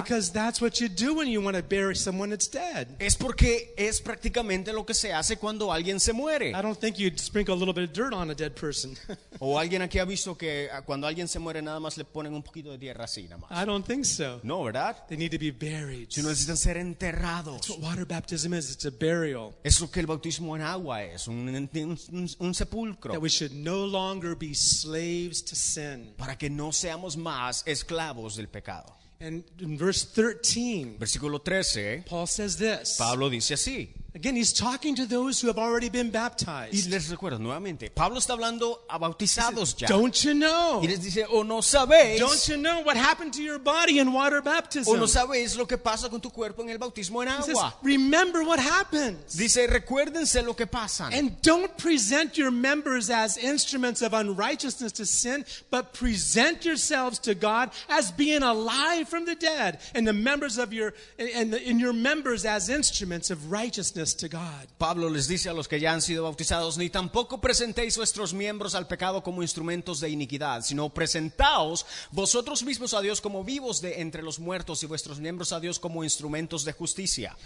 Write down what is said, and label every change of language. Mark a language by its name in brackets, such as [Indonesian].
[English] Because that's what you do when you want to bury someone that's dead. [Spanish] Es porque es prácticamente lo que se hace cuando alguien se muere. [English] I don't think you'd sprinkle a little bit of dirt on a dead person. [Spanish] O alguien aquí ha visto que cuando alguien se muere nada más le ponen un poquito de tierra así nada más. [English] I don't think so. [Spanish] No, ¿verdad? [English] They need to be buried. [Spanish] Si no necesitan ser enterrados. [English] That's what water baptism is. It's a burial. [Spanish] Es lo que el bautismo en agua es, un sepulcro. [English] That we should no longer be slaves to sin. [Spanish] Para que no seamos más esclavos del pecado. [English] And in verse 13, [Spanish] versículo 13, [English] Paul says this. [Spanish] Pablo dice así. [English] Again, he's talking to those who have already been baptized. [Spanish] Y les recuerdo nuevamente, Pablo está hablando a bautizados ya. [English] Don't you know? [Spanish] Y les dice, ¿o no sabéis? [English] Don't you know what happened to your body in water baptism? [Spanish] ¿O no sabéis lo que pasa con tu cuerpo en el bautismo en agua? [English] He says, remember what happens. [Spanish] Dice, recuérdense lo que pasa. [English] And don't present your members as instruments of unrighteousness to sin, but present yourselves to God as being alive from the dead, and the members of your and your members as instruments of righteousness. [Spanish] Pablo les dice a los que ya han sido bautizados, ni tampoco presentéis vuestros miembros al pecado como instrumentos de iniquidad, sino presentaos vosotros mismos a Dios como vivos de entre los muertos y vuestros miembros a Dios como instrumentos de justicia.